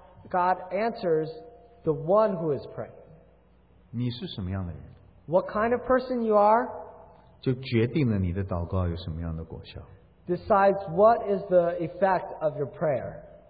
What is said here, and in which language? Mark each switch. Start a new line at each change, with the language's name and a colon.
English: God answers the one who is praying.
Chinese: 你是什么样的人?
English: What kind of person you are?
Chinese: 就决定了你的祷告有什么样的果效。
English: Decides what is the effect of your prayer.